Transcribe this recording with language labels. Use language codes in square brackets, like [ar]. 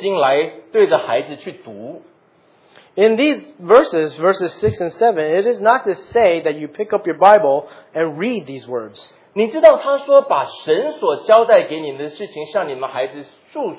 [zh] 他在第六、第七节里面讲的不是拿起圣经来对着孩子去读。 [en] In these verses, verses 6 and 7, it is not to say that you pick up your Bible and read these words. [zh] 你知道他说把神所交代给你们的事情向你们孩子说